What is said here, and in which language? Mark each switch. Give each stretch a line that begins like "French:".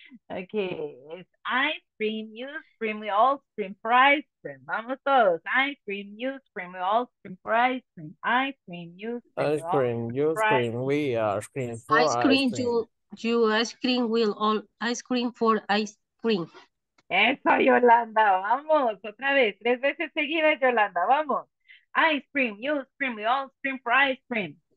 English: Okay, it's ice cream, you scream, we all scream for ice cream.
Spanish: Vamos todos.
English: Ice cream, you scream, we all scream for ice cream. Ice cream, you scream. Ice cream, you scream, we are scream for ice cream. You ice cream, we'll all ice cream for ice cream.
Spanish: Eso, Yolanda, vamos, otra vez, tres veces seguidas, Yolanda, vamos.
English: Ice cream, you scream, we all scream for ice cream.